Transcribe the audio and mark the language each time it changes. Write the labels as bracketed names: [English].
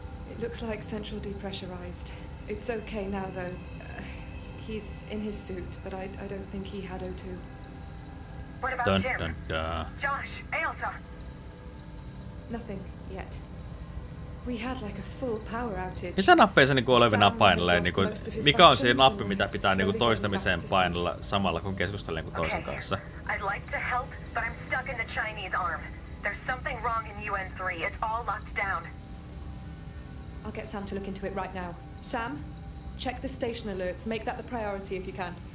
[English] It looks like Central depressurized. It's okay now, though. He's in his suit, but I don't think he had O2. What about dun, Jim? Dun, Josh, Ailsa? Nothing yet. We had like a full power outage. [Finnish] Mitä nappeja se niinku olevina painelee? Niinku, mikä on se nappi, mitä pitää niinku toistamiseen painella samalla kun keskustelee niinku toisen [English] okay. [Finnish] kanssa? [English] I'd like to help, but I'm stuck in the Chinese arm. There's something wrong in UN3. It's all locked down. I'll get Sam to look into it right now. Sam, check the station alerts. Make that the priority if you can.